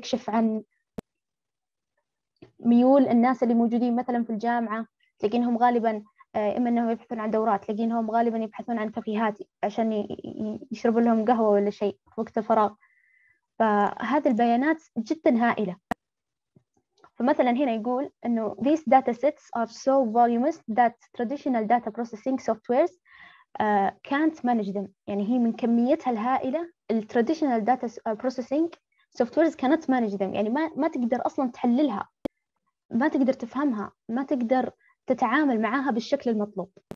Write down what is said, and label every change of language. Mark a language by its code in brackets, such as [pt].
[ar] عن ميول الناس اللي موجودين مثلا في الجامعة، لكنهم غالبا إما أنهم يبحثون عن دورات، لقينهم غالباً يبحثون عن كافيهات عشان يشربوا لهم قهوة ولا شيء وقت الفراغ. فهذه البيانات جداً هائلة. فمثلاً هنا يقول أنه [en] These data sets are so voluminous that traditional data processing softwares can't manage them. [ar] يعني هي من كميتها الهائلة الـ [en] traditional data processing softwares cannot manage them. [ar] يعني ما تقدر أصلاً تحللها، ما تقدر تفهمها، ما تقدر تتعامل معها بالشكل المطلوب.